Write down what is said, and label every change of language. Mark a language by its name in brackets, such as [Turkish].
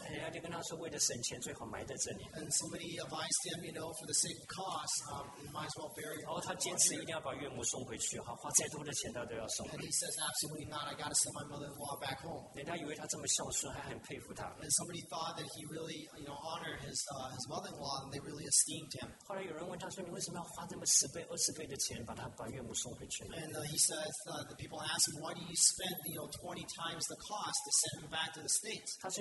[Chinese] 他就跟他说，为了省钱，最好埋在这里。And [English] somebody advised him, you know, for the sake of cost, you might as well bury. [Chinese] 然后他坚持一定要把岳母送回去，花再多的钱他都要送。And [English] he says, absolutely not. I got to send my mother-in-law back home. [Chinese] 人家以为他这么孝顺，还很佩服他。And [English] somebody thought that he really, you know, honored his. His mother-in-law, and they really esteemed him. [Chinese] 后来有人问他说：“你为什么要花这么十倍、二十倍的钱把他把岳母送回去呢？” [English] And he says, the people ask him, "Why do you spend, you know, 20 times the cost to send him back to the states?"